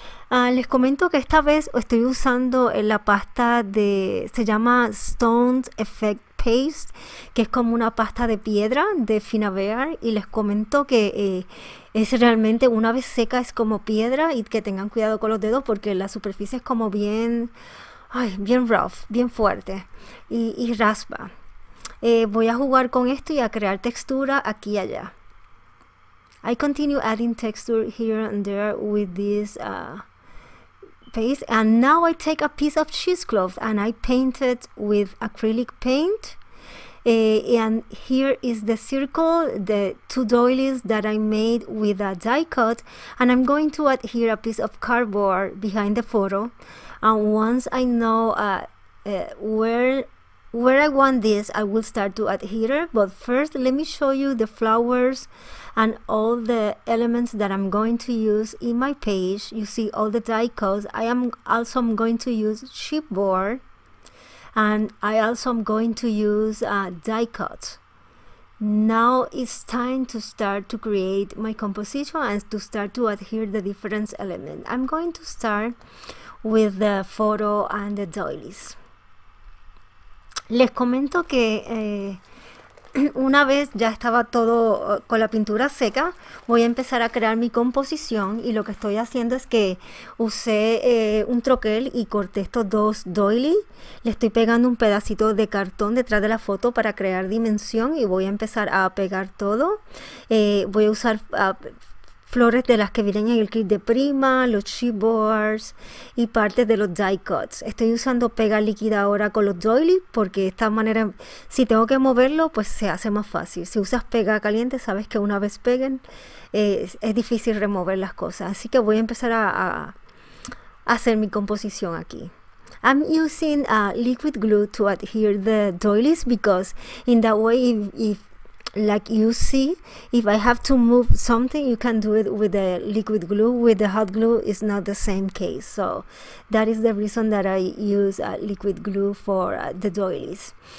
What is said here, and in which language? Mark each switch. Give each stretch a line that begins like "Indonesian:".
Spanish: Les comento que esta vez estoy usando la pasta de, se llama Stone Effect Paste, que es como una pasta de piedra de Finavear, y les comento que es realmente, una vez seca es como piedra, y que tengan cuidado con los dedos porque la superficie es como bien, bien rough, bien fuerte y raspa. Voy a jugar con esto y a crear textura aquí y allá.
English: I continue adding texture here and there with this paste, and now I take a piece of cheesecloth and I paint it with acrylic paint. And here is the circle, the two doilies that I made with a die cut, and I'm going to adhere a piece of cardboard behind the photo. And once I know where I want this, I will start to adhere it. But first, let me show you the flowers and all the elements that I'm going to use in my page. You see all the die cuts. I am also going to use chipboard, and I also am going to use die cut. Now it's time to start to create my composition and to start to adhere the different elements. I'm going to start with the photo and the doilies.
Spanish: Les comento que una vez ya estaba todo con la pintura seca, voy a empezar a crear mi composición, y lo que estoy haciendo es que usé un troquel y corté estos dos doily. Le estoy pegando un pedacito de cartón detrás de la foto para crear dimensión y voy a empezar a pegar todo. Voy a usar flores de las que vienen en el kit de prima, los chipboards y parte de los die cuts. Estoy usando pega líquida ahora con los doily porque de esta manera, si tengo que moverlo, pues se hace más fácil. Si usas pega caliente, sabes que una vez peguen, es difícil remover las cosas. Así que voy a empezar a hacer mi composición aquí.
English: I'm using liquid glue to adhere the doilies because in that way, if like you see, if I have to move something, you can do it with the liquid glue. With the hot glue, it's not the same case. So that is the reason that I use liquid glue for the doilies.